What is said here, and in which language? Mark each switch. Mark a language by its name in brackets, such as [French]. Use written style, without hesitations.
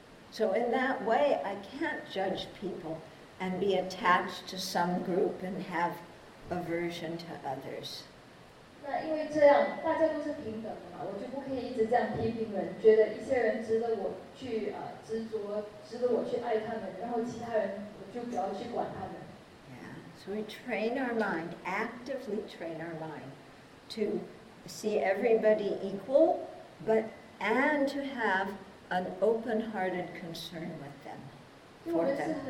[English] So in that way, I can't judge people and be attached to some group and have aversion to others. [Chinese] 那因为这样大家都是平等的嘛，我就不可以一直这样批评人，觉得一些人值得我去执着，值得我去爱他们，然后其他人我就不要去管他们。 [English] So we train our mind, actively train our mind, to see everybody equal, but and to have an open-hearted concern with them.